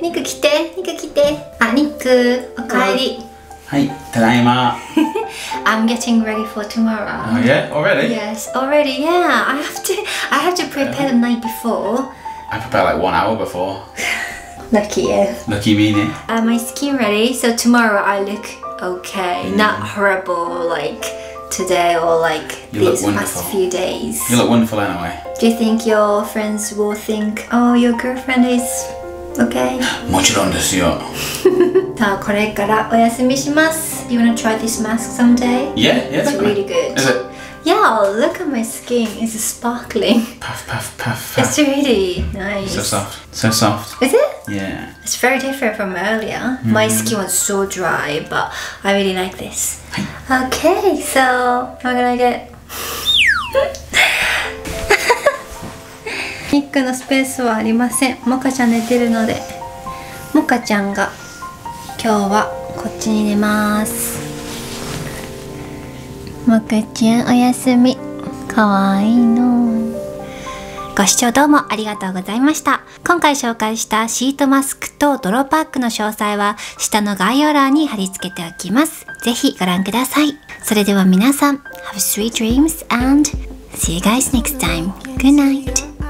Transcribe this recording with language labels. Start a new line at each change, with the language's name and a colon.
Japanese: ニック来て、ニック来て、あ、ニックおかえり。はい、ただいま。
English: I'm getting ready for tomorrow. Oh yeah, already? Yes, already. Yeah, I have to prepare the night before. I prepare like 1 hour before. Lucky you. Lucky me, ne. My skin ready, so tomorrow I look okay, not horrible like today or like past few days. You look wonderful anyway. Do you think your friends will think, oh, your girlfriend is okay?
Japanese: もちろんですよ。さあ、これからお休みします。
English: Do you want to try this mask someday? Yeah, it's really good. Is it? Yeah, look at my skin. It's sparkling. Puff, puff, puff, puff. It's really nice. So soft. So soft. Is it? Yeah. It's very different from earlier. My skin was so dry, but I really like this. Okay, so I'm gonna get...
Japanese: ニックのスペースはありません。モカちゃん寝てるので。モカちゃんが今日はこっちに寝ます。もくちゃんおやすみ、かわいいの。ご視聴どうもありがとうございました。今回紹介したシートマスクとドローパックの詳細は下の概要欄に貼り付けておきます。ぜひご覧ください。それでは皆さん
English: Have sweet dreams and see you guys next time. Good night.